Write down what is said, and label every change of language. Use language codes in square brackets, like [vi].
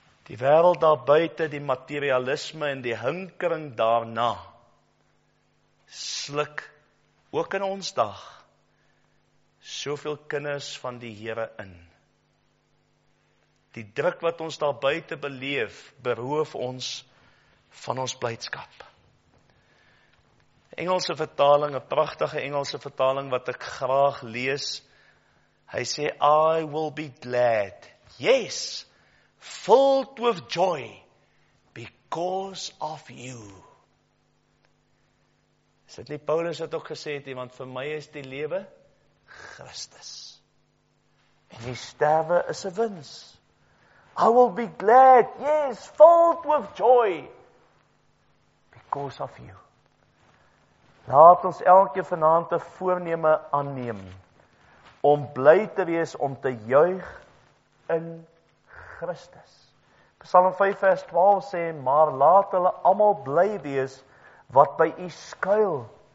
[af] Die wêreld daar buite, die materialisme en die hinkering daarna, sluk ook in ons dag, soveel kinders van die Here in. Die druk wat ons daar buite beleef, beroof ons van ons blydskap. Engelse vertaling, 'n pragtige Engelse vertaling wat ek graag lees. Hy sê, [en] I will be glad, yes, filled with joy, because of you. [af] Is dit nie Paulus wat ook gesê het, want vir my is die lewe Christus. En die sterwe is 'n wins. [en] I will be glad, yes, filled with joy, because of you. [af] Laat ons elke vanaand 'n voorneme aanneem om bly te wees, om te juig in Christus. Psalm 5 vers 12 sê, maar laat hulle almal bly wees wat by u skuil.